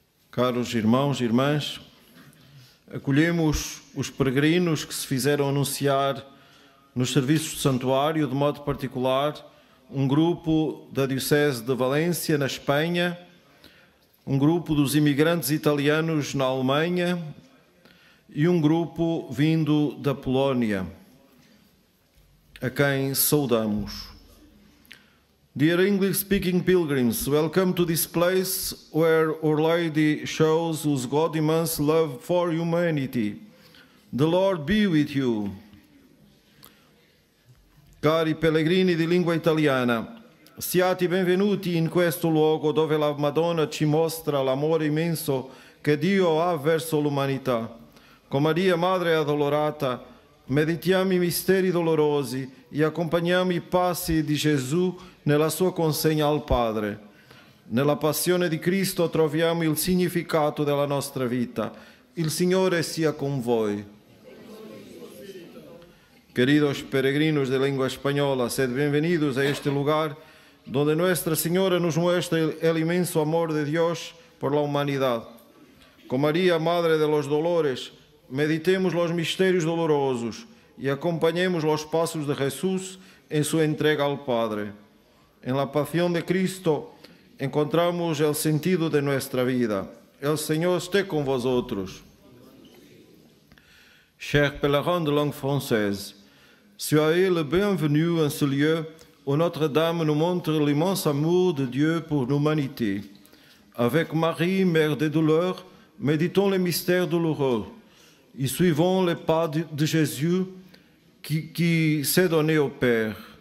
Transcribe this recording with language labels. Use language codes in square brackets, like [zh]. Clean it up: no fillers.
[pt] Caros irmãos e irmãs, acolhemos os peregrinos que se fizeram anunciar nos serviços do santuário, de modo particular, um grupo da Diocese de Valência, na Espanha, um grupo dos imigrantes italianos na Alemanha e um grupo vindo da Polónia, a quem saudamos. [en] Dear English-speaking pilgrims, welcome to this place where Our Lady shows whose God immense love for humanity. The Lord be with you. [it] Cari pellegrini di lingua italiana, siate benvenuti in questo luogo dove la Madonna ci mostra l'amore immenso che Dio ha verso l'umanità. Con Maria, Madre addolorata, meditiamo i misteri dolorosi e accompagniamo i passi di Gesù nella sua consegna al Padre. Nella passione di Cristo troviamo il significato della nostra vita. Il Signore sia con voi. [es] Queridos peregrinos de lengua española, sed bienvenidos a este lugar donde Nuestra Señora nos muestra el inmenso amor de Dios por la humanidad. Con María, Madre de los Dolores, meditemos los misterios dolorosos y acompañemos los pasos de Jesús en su entrega al Padre. En la pasión de Cristo encontramos el sentido de nuestra vida. El Señor esté con vosotros. [fr] Chers pèlerins de langue française, soyez le bienvenu en ce lieu où Notre-Dame nous montre l'immense amour de Dieu pour l'humanité. Avec Marie, Mère des Douleurs, méditons les mystères douloureux et suivons les pas de Jésus qui s'est donné au Père.